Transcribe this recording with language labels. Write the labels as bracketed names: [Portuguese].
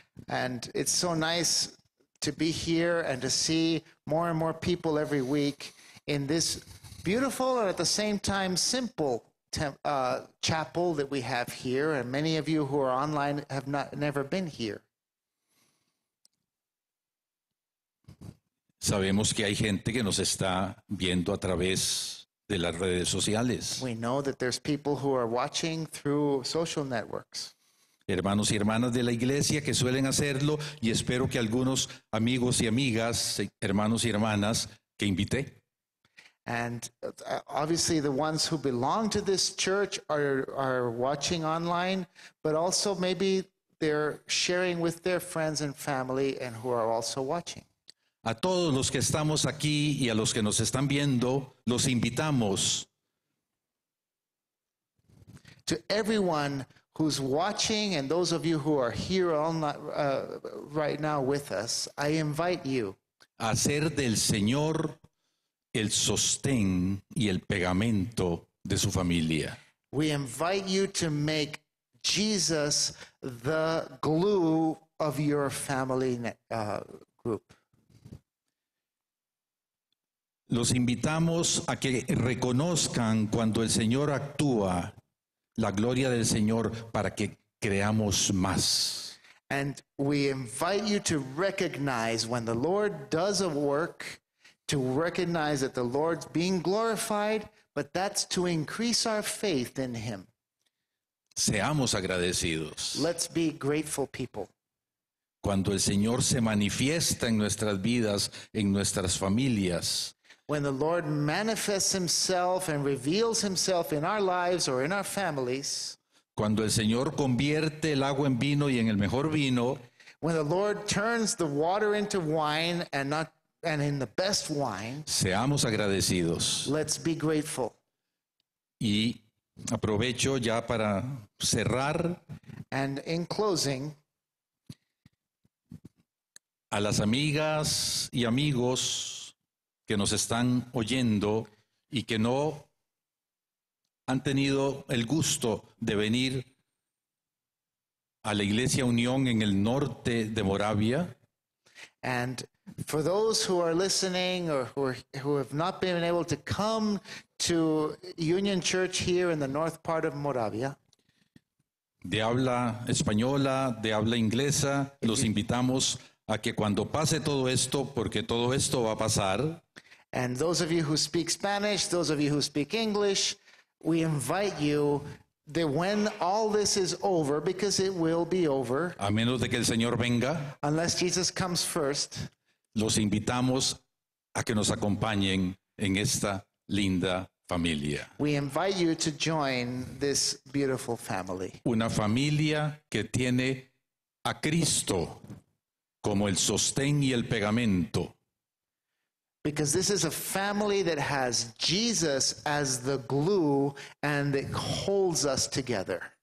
[English] And it's so nice to be here and to see more and more people every week in this beautiful and at the same time simple chapel that we have here, and many of you who are online have never been here. [Spanish] Sabemos que hay gente que nos está viendo a través de las redes sociales. [English] We know that there's people who are watching through social networks. [Spanish] Hermanos y hermanas de la iglesia que suelen hacerlo, y espero que algunos amigos y amigas, hermanos y hermanas que invité. [English] And obviously the ones who belong to this church are watching online, but also maybe they're sharing with their friends and family and who are also watching. [Spanish] A todos los que estamos aquí y a los que nos están viendo, los invitamos. [English] To everyone who's watching and those of you who are here right now with us, I invite you. [Spanish] A hacer del Señor el sostén y el pegamento de su familia. [English] We invite you to make Jesus the glue of your family group. [Spanish] Los invitamos a que reconozcan cuando el Señor actúa la gloria del Señor para que creamos más. [English] And we invite you to recognize when the Lord does a work, to recognize that the Lord's being glorified, but that's to increase our faith in Him. [Spanish] Seamos agradecidos. [English] Let's be grateful people. [Spanish] Cuando el Señor se manifiesta en nuestras vidas, en nuestras familias, [English] when the Lord manifests himself and reveals himself in our lives or in our families, [Spanish] cuando el Señor convierte el agua en vino y en el mejor vino, [English] when the Lord turns the water into wine and in the best wine, [Spanish] seamos agradecidos. [English] Let's be grateful. [Spanish] Y aprovecho ya para cerrar. [English] And in closing, [Spanish] a las amigas y amigos que nos están oyendo y que no han tenido el gusto de venir a la Iglesia Unión en el norte de Moravia. [English] And for those who are listening or who have not been able to come to Union Church here in the north part of Moravia, [Spanish] de habla española, de habla inglesa, los invitamos a que cuando pase todo esto, porque todo esto va a pasar. [English] And those of you who speak Spanish, those of you who speak English, we invite you that when all this is over, because it will be over, [Spanish] a menos de que el Señor venga, [English] unless Jesus comes first, [Spanish] los invitamos a que nos acompañen en esta linda familia. [English] We invite you to join this beautiful family. [Spanish] Una familia que tiene a Cristo como el sostén y el pegamento. [English] Because this is a family that has Jesus as the glue and that holds us together.